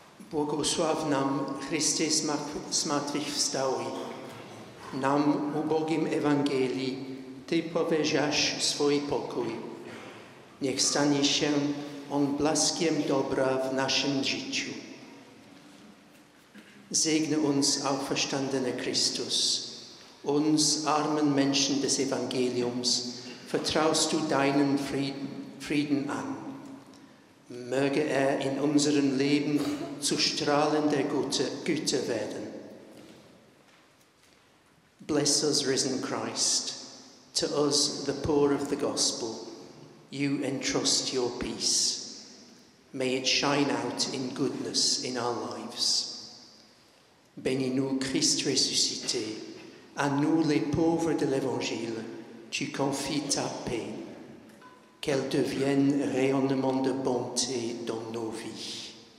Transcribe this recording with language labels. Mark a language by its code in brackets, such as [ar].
[pl] Błogosław nam Chryste zmartwychwstały. Nam ubogim Ewangelii Ty powierzasz swój pokój. Niech stanie się on blaskiem dobra w naszym życiu. [de] Segne uns, auferstandene Christus, uns armen Menschen des Evangeliums, vertraust du deinen Frieden an. Möge er in unserem Leben zu Strahlen der Güte werden. [en] Bless us, risen Christ, to us, the poor of the gospel, you entrust your peace. May it shine out in goodness in our lives. [fr] Bénis-nous, Christ ressuscité, à nous les pauvres de l'Évangile, tu confies ta paix, qu'elle devienne rayonnement de bonté dans nos vies.